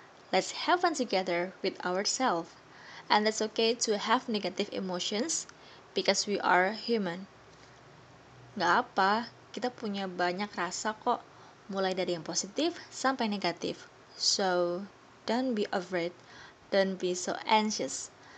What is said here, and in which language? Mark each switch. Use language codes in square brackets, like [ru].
[en] Let's have fun together with ourselves. And it's okay to have negative emotions because we are human. [id] Gak apa, kita punya banyak rasa kok, mulai dari yang positif sampai negatif. [en] So, don't be afraid, don't be so anxious.